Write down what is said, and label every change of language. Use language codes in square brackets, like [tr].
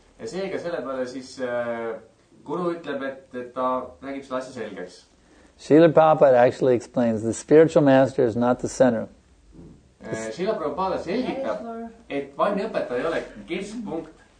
[et] Ja seega selle peale siis Guru ütleb, et ta räägib seda asja selgeks. [en] Srila Prabhupada actually explains, the spiritual master is not the center. [et] Srila Prabhupada selgitab, et vaimne õpetaja ei ole keskpunkt.